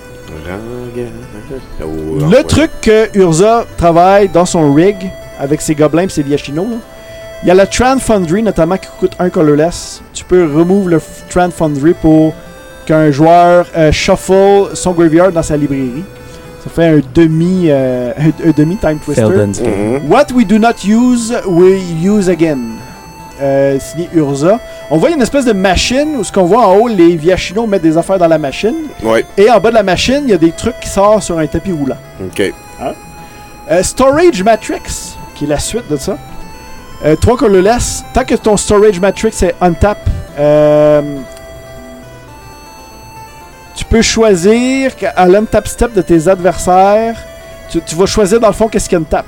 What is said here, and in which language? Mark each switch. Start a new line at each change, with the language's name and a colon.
French: Le truc que Urza travaille dans son rig avec ses gobelins et ses viachinos, là. Il y a la Trant Foundry, notamment, qui coûte un colorless. Tu peux remove le Trant Foundry pour qu'un joueur shuffle son graveyard dans sa librairie. Ça fait un demi Time Twister.
English: What we do not use, we use again.
French: Signé Urza. On voit une espèce de machine où ce qu'on voit en haut, les Viachinos mettent des affaires dans la machine. Ouais. Et en bas de la machine, il y a des trucs qui sortent sur un tapis roulant. OK. Hein? Storage Matrix, qui est la suite de ça. Toi qu'on le laisse, tant que ton Storage Matrix est untap, tu peux choisir à l'untap step de tes adversaires, tu vas choisir dans le fond qu'est-ce qu'il untap.